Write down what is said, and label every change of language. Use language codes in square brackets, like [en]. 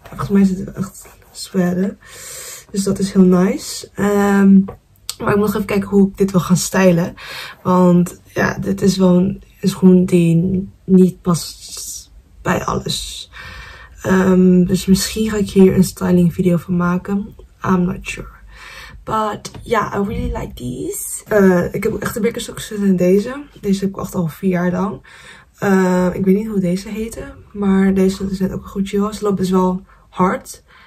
[nl] Volgens mij is het echt sweden. Dus dat is heel nice. Maar ik moet nog even kijken hoe ik dit wil gaan stylen. Want ja, dit is wel een schoen die niet past bij alles. Dus misschien ga ik hier een styling video van maken. [en] I'm not sure. But yeah, I really like these. [nl] Ik heb ook echt de Birkenstocks in deze. Deze heb ik echt al 4 jaar lang. Ik weet niet hoe deze heette. Maar deze is net ook een goed chill. Ze loopt dus wel hard.